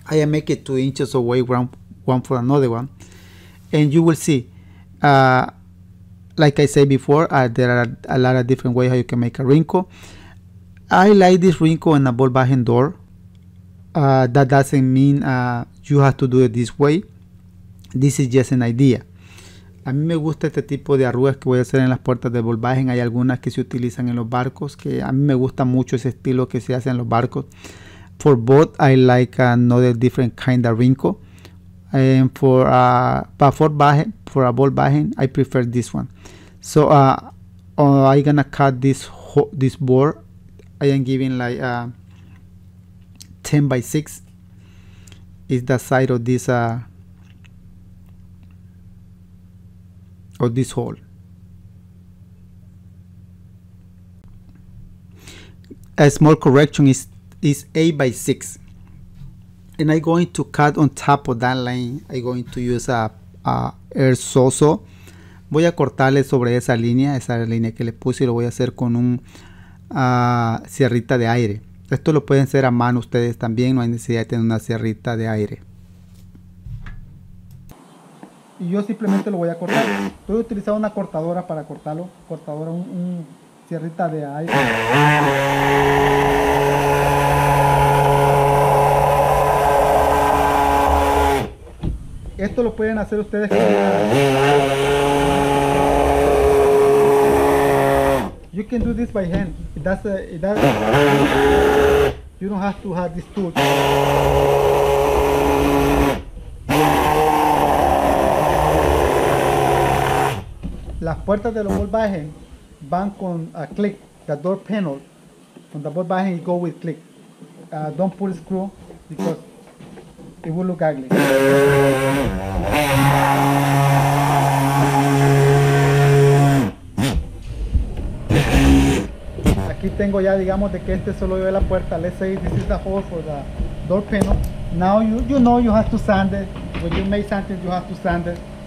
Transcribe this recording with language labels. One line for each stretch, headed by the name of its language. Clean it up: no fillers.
English: I make it 2 inches away one for another one, and you will see, like I said before, there are a lot of different ways how you can make a wrinkle. I like this wrinkle in a ball bajen door. That doesn't mean you have to do it this way. This is just an idea.
Spanish: A mí me gusta este tipo de arrugas que voy a hacer en las puertas de ball bajen. Hay algunas que se utilizan en los barcos, que a mí me gusta mucho ese estilo que se hace en los barcos.
English: For boat, I like another different kind of wrinkle. And for a ball bajen, I prefer this one. So I'm gonna cut this board. I am giving like 10 by 6 is the side of this hole. A small correction is 8 by 6. And I'm going to cut on top of that line. I'm going to use a air sawzall.
Spanish: Voy a cortarle sobre esa línea que le puse, y lo voy a hacer con un sierrita de aire. Esto lo pueden hacer a mano ustedes también, no hay necesidad de tener una sierrita de aire. Y yo simplemente lo voy a cortar. Voy a utilizar una cortadora para cortarlo. Cortadora, un sierrita de aire. Esto lo pueden hacer ustedes con...
English: You can do this by hand. You don't have to have this tool.
Spanish: Las puertas de los volvajes van con a click.
English: The door panel on the volvajes go with click. Don't pull screw because it will look ugly.
Spanish: Aquí tengo ya, digamos, de que este solo yo de la puerta.
English: Let's say this is the hole for the door panel. Now you know you have to sand it. When you make something, you have to sand it.